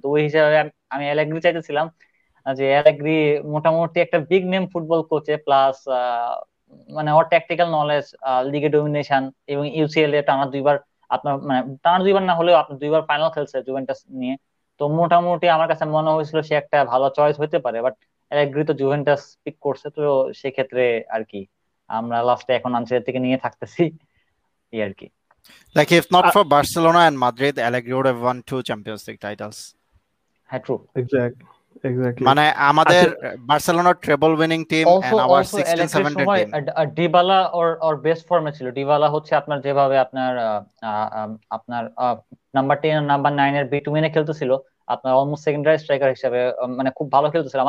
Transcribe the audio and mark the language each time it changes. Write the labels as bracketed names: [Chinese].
[Bangla] তো ওই হিসাবে আমি অ্যালেগ্রি চাইতেছিলাম যে অ্যালেগ্রি মোটামুটি একটা বিগ নেম ফুটবল কোচে, প্লাস মানে ওর ট্যাকটিক্যাল নলেজ, লিগে ডমিনেশন এবং ইউসিএল এ টানা দুইবার আপনার মানে টানা দুইবার না হলেও আপনার দুইবার ফাইনাল খেলছে জুভেন্টাস নিয়ে, তো মোটামুটি আমার কাছে মনে হয়েছিল সে একটা ভালো চয়েস হইতে পারে। বাট অ্যালেগ্রি তো জুভেন্টাস পিক করছে, তো সেক্ষেত্রে আর কি আমরা লাস্টে এখন আনসারের থেকে নিয়ে থাকতেছি এই আর কি। [English] Like if not for Barcelona and Madrid, Allegri would have won two Champions League titles. [Bangla] হ্যাঁ ট্রু, [English] exactly. [Bangla] মানে আমাদের বার্সেলোনার treble winning team [English] also, and our 16-17 team. [Bangla] ডিবালা or best ফর্মে ছিল। ডিবালা হচ্ছে আপনার যেভাবে আপনার আপনার নাম্বার 10 আর নাম্বার 9 এর বিটুইনে খেলতেছিল, আপনার অলমোস্ট সেকেন্ডারি স্ট্রাইকার হিসেবে মানে খুব ভালো খেলতেছিল।